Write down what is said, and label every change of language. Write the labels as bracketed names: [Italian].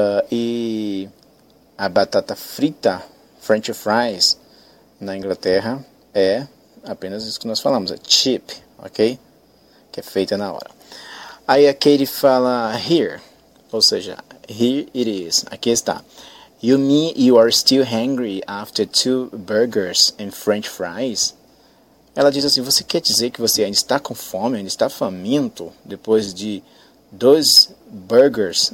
[Portuguese] E a batata frita, French fries, na Inglaterra, é apenas isso que nós falamos, é chip, ok? Que é feita na hora. Aí a Katie fala, [English] here, [Portuguese] ou seja, [English] here it is, [Portuguese] aqui está. [English] You mean you are still hungry after two burgers and French fries? [Portuguese] Ela diz assim, você quer dizer que você ainda está com fome, ainda está faminto depois de dois burgers?